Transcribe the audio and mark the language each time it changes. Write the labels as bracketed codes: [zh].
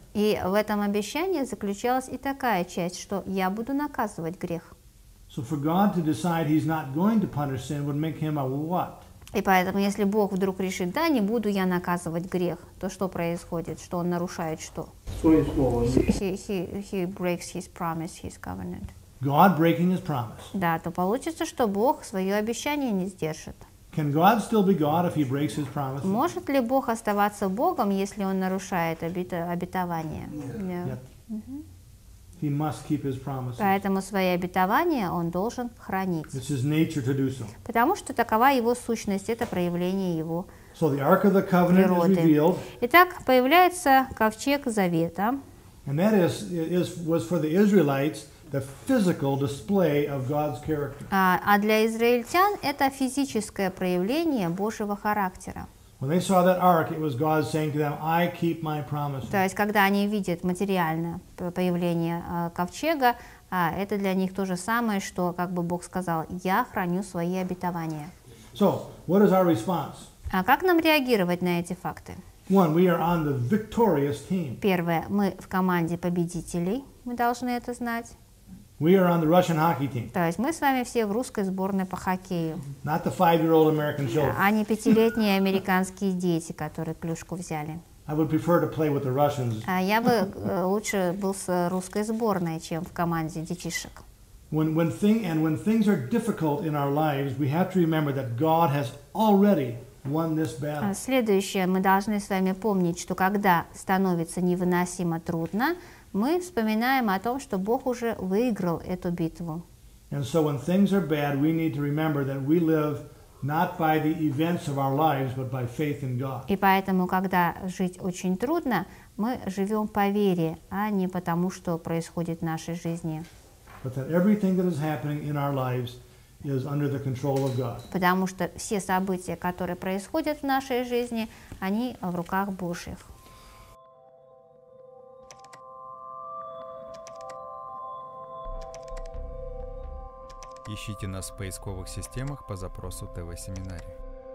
[ru] И в этом обещании заключалась и такая часть, что я буду наказывать грех. [en] So for God to decide he's not going to punish sin would make him a what? [ru] И поэтому, если Бог вдруг решит, да, не буду я наказывать грех, то что происходит? Что он нарушает что? [en] He breaks his promise, his covenant. God breaking his promise. [ru] Да, то получится, что Бог свое обещание не сдержит. [en] Can God still be God if he breaks his promises? [ru] Может ли Бог оставаться Богом, если он нарушает обетование? [en] He must keep his promises. [ru] Поэтому свои обетования он должен хранить. [en] It's his nature to do so. [ru] Потому что такова его сущность, это проявление его природы. [en] So the Ark of the Covenant is revealed. [ru] Итак, появляется ковчег завета. [en] And that was for the Israelites. the physical display of God's character. [ru] А для израильтян это физическое проявление Божьего характера. [en] When they saw that ark, it was God saying to them, "I keep my promise." [ru] То есть когда они видят материальное появление ковчега, это для них то же самое, что как бы Бог сказал: "Я храню свои обетования." [en] So, what is our response? [ru] А как нам реагировать на эти факты? [en] One, we are on the victorious team. [ru] Первое, мы в команде победителей. Мы должны это знать. [en] We are on the Russian hockey team. [ru] То есть мы с вами все в русской сборной по хоккею. [en] Not the five-year-old American children. [ru] А не пятилетние американские дети, которые клюшку взяли. [en] I would prefer to play with the Russians. [ru] А я бы лучше был с русской сборной, чем в команде детишек. [en] When things are difficult in our lives, we have to remember that God has already won this battle. [ru] Следующее, мы должны с вами помнить, что когда становится невыносимо трудно, мы вспоминаем о том, что Бог уже выиграл эту битву. [en] And so when things are bad, we need to remember that we live not by the events of our lives, but by faith in God. [ru] И поэтому, когда жить очень трудно, мы живем по вере, а не потому, что происходит в нашей жизни. [en] But that everything that is happening in our lives is under the control of God. [ru] Потому что все события, которые происходят в нашей жизни, они в руках Божьих. Ищите нас в поисковых системах по запросу ТВ-семинария.